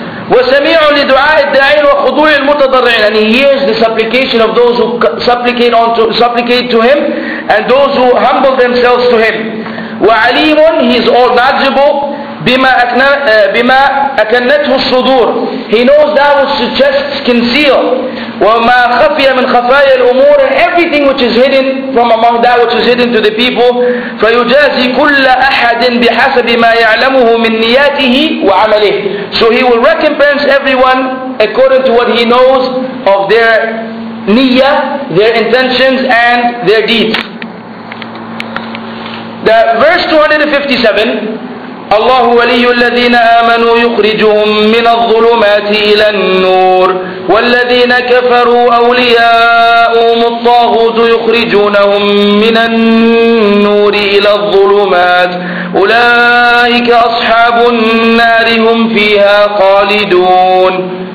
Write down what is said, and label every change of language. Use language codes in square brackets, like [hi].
[ar] وسميع لدعاء الداعين وخضوع المتضرعين. [en] And he hears the supplication of those who supplicate to him, and those who humble themselves to him. [ar] وعليم, [en] he is all knowledgeable, [ar] بما أكنته الصدور. [en] He knows that which chests conceal. [ar] وما خفي من خفايا الأمور. [en] And everything which is hidden from among that which is hidden to the people. [ar] فيجازي كل أحد بحسب ما يعلمه من نياته وعمله. [en] So he will recompense everyone according to what he knows of their niyyah, their intentions and their deeds. The verse 257, [ar] الله ولي الذين آمنوا يخرجهم من الظلمات إلى النور والذين كفروا أولياؤهم الطاغوت يخرجونهم من النور إلى الظلمات أولئك أصحاب النار هم فيها خالدون.